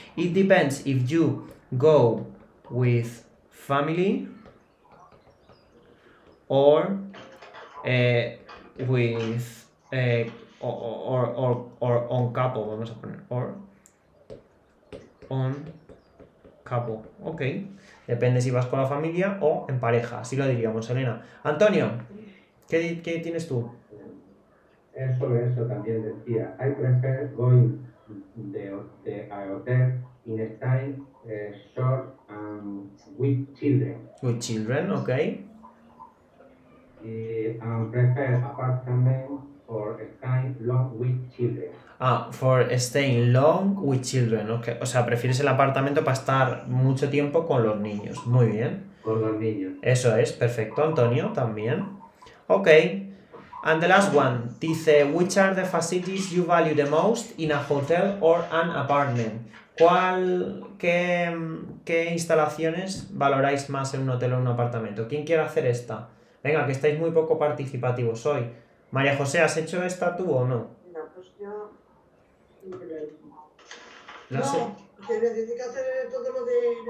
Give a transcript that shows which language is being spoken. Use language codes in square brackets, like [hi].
[en] It depends if you go with family or with or on capo, [es] vamos a poner [en] or on capo, ok. [es] Depende si vas con la familia o en pareja, así lo diríamos, Elena. Antonio, ¿qué tienes tú? Eso también decía. [en] I prefer going de a hotel in a time short and with children. With children, ok. Y prefer apartment for staying long with children. Ah, for staying long with children, ok. [es] O sea, prefieres el apartamento para estar mucho tiempo con los niños. Muy bien. Con los niños. Eso es, perfecto. Antonio, también. Ok. [en] And the last one, [es] dice, [en] which are the facilities you value the most in a hotel or an apartment? [es] ¿Qué instalaciones valoráis más en un hotel o en un apartamento? ¿Quién quiere hacer esta? Venga, que estáis muy poco participativos hoy. María José, ¿has hecho esta tú o no? No, pues yo... No sé. Te necesito hacer todo lo de...